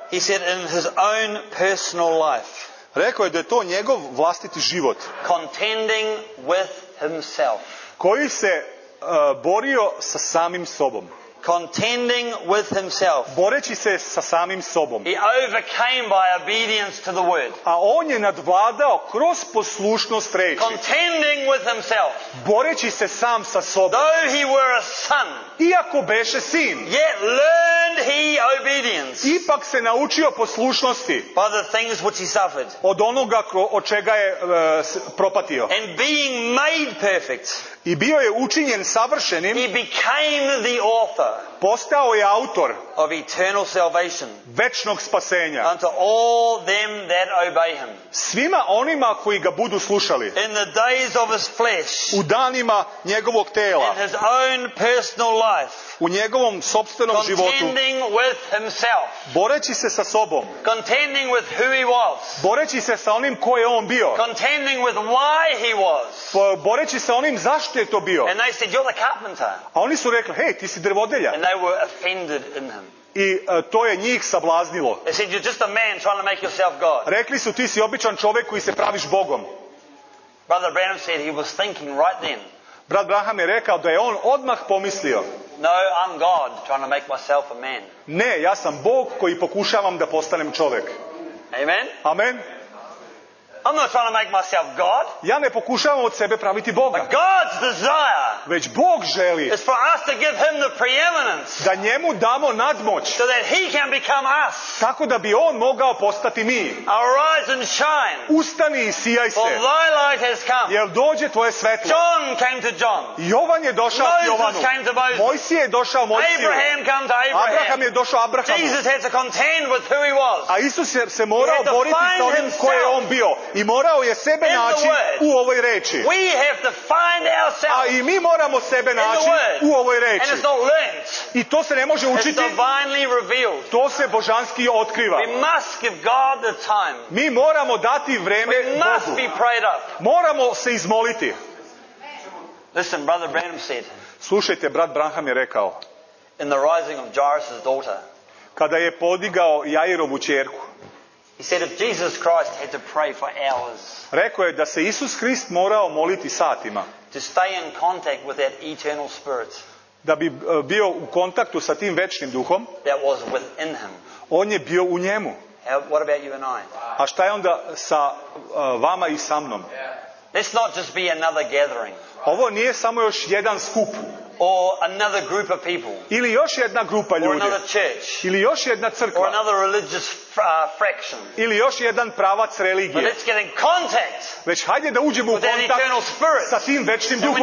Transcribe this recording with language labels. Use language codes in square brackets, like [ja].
[en] He said in his own personal life. [sr] Rekao je da je to njegov vlastiti život. [en] Contending with himself. [sr] Koji se borio sa samim sobom. [en] Contending with himself. [sr] Boreći se sa samim sobom. [en] He overcame by obedience to the word. [sr] A on je nadvladao kroz poslušnost reči. [en] Contending with himself. [sr] Boreći se sam sa sobom. [en] Though he were a son. [sr] Iako beše sin. [en] Yet learned he obedience. [sr] Ipak se naučio poslušnosti. [en] By the things which he suffered. [sr] Od onoga od čega je propatio. [en] And being made perfect. [sr] I bio je učinjen savršenim. [en] He became the author. [sr] Postao je autor. [en] Of eternal salvation. [sr] Večnog spasenja. [en] Unto all them that obey him. [sr] Svima onima koji ga budu slušali. [en] In the days of his flesh. [sr] U danima njegovog tela. [en] In his own personal life. [sr] U njegovom sopstvenom životu. [en] Contending with himself. [sr] Boreći se sa sobom. [en] Contending with who he was. [sr] Boreći se sa onim ko je on bio. [en] Contending with why he was. [sr] Boreći se onim zašto je to bio. [en] And they said, you're the carpenter. [sr] A oni su rekli, hej, ti si drvodelja. [en] And they were offended in him. [sr] I to je njih sablaznilo. [en] They said, you're just a man trying to make yourself God. [sr] Rekli su, ti si običan čovjek koji se praviš Bogom. [en] Brother Branham said he was thinking right then. [sr] Brat Branham je rekao da je on odmah pomislio. [en] No, I'm God trying to make myself a man. [sr] Ne, ja sam Bog koji pokušavam da postanem čovjek. [en] Amen. [sr] Amen. [en] I'm not trying to make myself God. [sr] Ja ne pokušavam od sebe praviti Boga. [en] But God's desire. [sr] Već Bog želi. [en] Is for us to give him the preeminence. [sr] Da njemu damo nadmoć. [en] So that he can become us. [sr] Tako da bi on mogao postati mi. [en] Arise and shine. [sr] Ustani i sijaj se. [en] For thy light has come. [sr] Jer dođe tvoje svetlo. [en] John came to John. [sr] Jovan je došao [en] Moses [sr] Jovanu. [en] Moses came to Moses. [sr] Mojsije je došao Mojsiju. [en] Abraham came to Abraham. [sr] Abraham je došao Abrahamu. [en] Jesus had to contend with who he was. [sr] A Isus se morao boriti s onim ko je on bio. I morao je sebe [en] in [sr] naći u ovoj reči. [en] We have to find ourselves. [sr] A i mi moramo sebe naći u ovoj reči. [en] And it's not learnt. [sr] I to se ne može učiti. [en] It's divinely revealed. [sr] To se božanski otkriva. [en] We must give God the time. [sr] Mi moramo dati vreme [en] Bogu. We must be prayed up. [sr] Moramo se izmoliti. [en] Listen, brother Branham said. [sr] Slušajte, brat Branham je rekao. [en] In the rising of Jairus' daughter. [sr] Kada je podigao Jairovu ćerku. [en] He said if Jesus Christ had to pray for hours. [sr] Rekao je da se Isus Hrist morao moliti satima. [en] To stay in contact with that eternal spirit. [sr] Da bi bio u kontaktu sa tim večnim duhom. [en] That was within him. [sr] On je bio u njemu. [en] What about you and I? [sr] A šta je onda sa vama i sa mnom? [en] Let's not just be another gathering. [sr] Ovo nije samo još jedan skup. [en] Or another group of people. [sr] Ili još jedna grupa ljudi. [en] Or another church. [sr] Ili još jedna crkva. [en] Or another religious fraction. [sr] Ili još jedan pravac religije. [en] But let's get in contact. [sr] Već hajde da uđemo u kontakt sa tim večnim duhom.